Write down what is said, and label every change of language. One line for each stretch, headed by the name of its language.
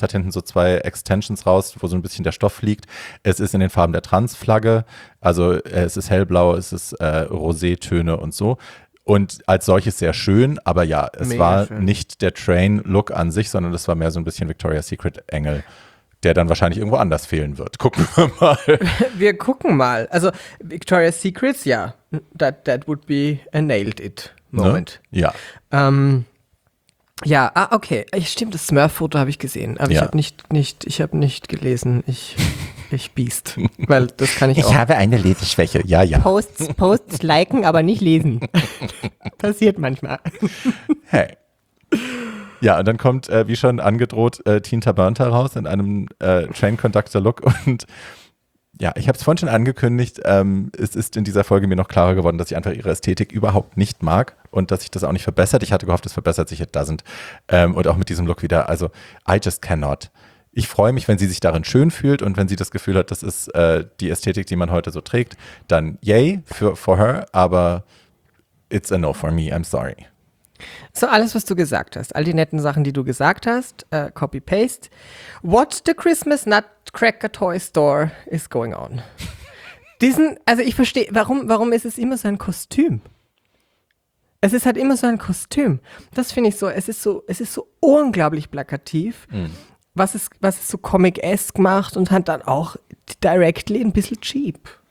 German: Es hat hinten so zwei Extensions raus, wo so ein bisschen der Stoff liegt. Es ist in den Farben der Trans-Flagge. Also es ist hellblau, es ist Rosé-Töne und so. Und als solches sehr schön, aber ja, es mega war schön. Nicht der Train-Look an sich, sondern es war mehr so ein bisschen Victoria's Secret-Engel, der dann wahrscheinlich irgendwo anders fehlen wird. Gucken wir mal. Wir gucken mal. Also
English: Victoria's Secrets,
German: ja,
English: that would be a nailed it moment.
German: Ne? Ja. Okay. Stimmt, das Smurf-Foto habe ich gesehen, aber ja. Ich habe nicht gelesen. Ich biest, weil das kann ich auch. Ich habe eine Leseschwäche, ja. Posts liken, aber nicht lesen. Passiert manchmal. Hey. Ja, und dann kommt, wie schon angedroht, Tinta Burnt heraus in einem Train-Conductor-Look. Und ja, ich habe es vorhin schon angekündigt. Es ist in dieser Folge mir noch klarer geworden, dass ich einfach ihre Ästhetik überhaupt nicht mag und dass sich das auch nicht verbessert. Ich hatte gehofft, es verbessert sich,
English: it doesn't.
German: Und auch mit diesem Look wieder. Also,
English: I just cannot.
German: Ich freue mich, wenn sie sich darin schön fühlt und wenn sie das Gefühl hat, das ist die Ästhetik, die man heute so trägt, dann
English: yay for her,
German: aber
English: it's a no for me, I'm sorry.
German: So, alles, was du gesagt hast, all die netten Sachen, die du gesagt hast, copy-paste.
English: What the Christmas Nutcracker Toy Store is going on?
German: ich verstehe, warum ist es immer so ein Kostüm? Es ist halt immer so ein Kostüm. Das finde ich so, es ist so unglaublich plakativ. Was es so Comic-esque macht und hat dann auch
English: directly
German: ein bisschen cheap.